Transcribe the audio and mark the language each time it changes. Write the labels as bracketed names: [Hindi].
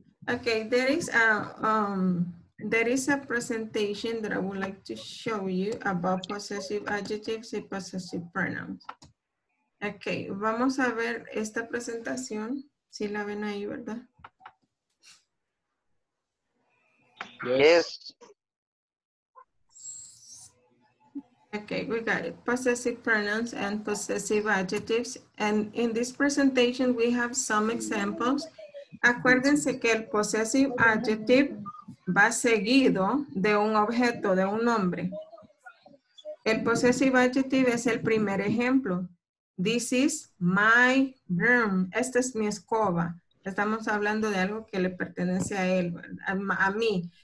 [English] Okay, there is a presentation that I would like to show you about possessive adjectives and possessive pronouns. [Spanish] Ok, vamos a ver esta presentación, si la ven ahí, ¿verdad? [English] Yes. Ok, we got it. Possessive pronouns and possessive adjectives. And in this presentation, we have some examples. [Spanish] Acuérdense que el [English] possessive adjective [Spanish] va seguido de un objeto, de un nombre. El [English] possessive adjective [Spanish] es el primer ejemplo. [English] This is my room. [Spanish] Esta es mi escoba. Estamos hablando de algo que le pertenece a él, a mí.